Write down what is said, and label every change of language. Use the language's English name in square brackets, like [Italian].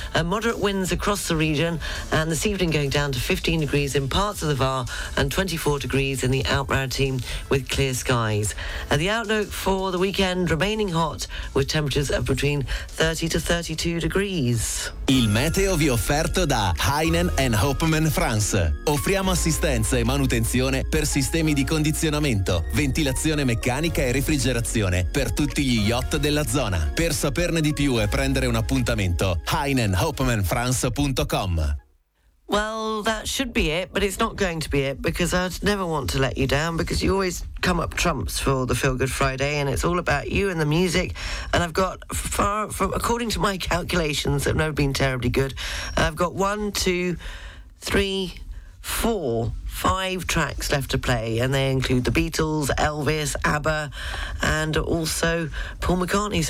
[English] Moderate winds across the region, and this evening going down to 15 degrees in parts of the Var and 24 degrees in the Alpes Maritimes with clear skies. The outlook for the weekend remaining hot with temperatures of between 30 to 32 degrees. [Italian] Il meteo vi offerto da Heinen and Hopman France. Offriamo assistenza e manutenzione per sistemi di condizionamento, ventilazione meccanica e refrigerazione per tutti gli yacht della zona. Per saperne di più e prendere un appuntamento, heinenhopmanfrance.com. [English] Well, that should be it, but it's not going to be it, because I'd never want to let you down, because you always come up trumps for the Feel Good Friday, and it's all about you and the music. And I've got, far from, according to my calculations, that have never been terribly good, I've got 5 tracks left to play, and they include the Beatles, Elvis, ABBA, and also Paul McCartney.